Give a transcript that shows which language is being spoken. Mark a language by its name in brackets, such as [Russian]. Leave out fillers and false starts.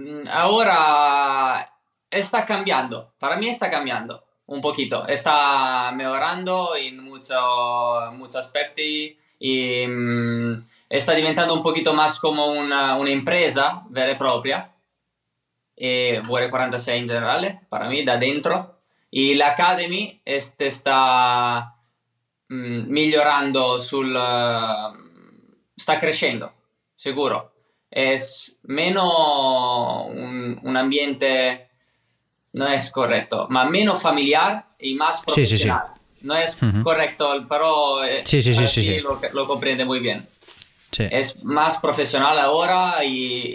[Spanish] Ahora está cambiando, para mí está cambiando un poquito, está mejorando en muchos aspectos y está [Italian] diventando [Spanish] un poquito más como una empresa [Italian] vera e propria. E VR46 in generale, per me, da dentro. E l'Academy sta migliorando, sta crescendo, sicuro. È meno un ambiente, non è corretto, ma meno familiare e [Spanish] más [Italian] professionale. Sì, sì, sì. Non è corretto, però sì, lo comprende molto bene. [Spanish] Sí. Es más profesional ahora y